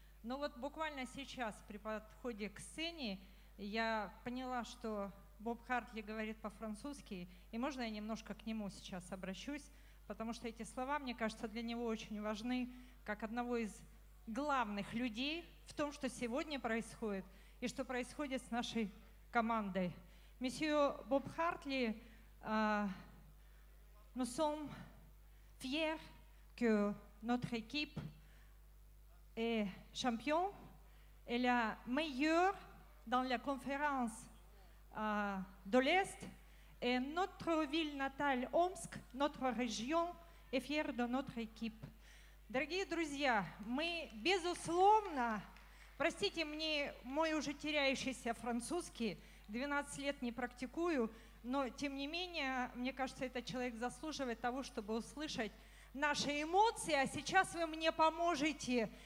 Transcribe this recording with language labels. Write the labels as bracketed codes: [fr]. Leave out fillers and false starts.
[ru] Но вот буквально сейчас при подходе к сцене я поняла, что Боб Хартли говорит по-французски. И можно я немножко к нему сейчас обращусь? Потому что эти слова, мне кажется, для него очень важны, как одного из главных людей в том, что сегодня происходит и что происходит с нашей командой. [fr] Monsieur Bob Hartley, nous sommes fiers que notre équipe est champion et la meilleure dans la conférence de l'Est. Et notre ville natale, Омск, notre région, est fière de notre équipe. [ru] Дорогие друзья, мы безусловно, простите мне мой уже теряющийся французский, 12 лет не практикую, но тем не менее, мне кажется, этот человек заслуживает того, чтобы услышать наши эмоции, а сейчас вы мне поможете.